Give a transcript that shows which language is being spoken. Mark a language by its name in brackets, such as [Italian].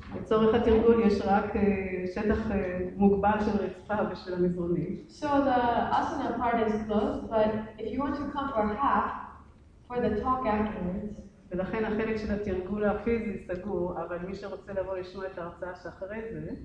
[Hebrew] לצורך התרגול יש רק שטח מוגבל של רצפה ושל המזרונים. [English] So the asana part is closed, but if you want to come for half for the talk afterwards. [Hebrew] ולכן החלק של התרגול הפיזי סגור, אבל מי שרוצה לבוא לשמוע את ההרצאה שאחרי זה.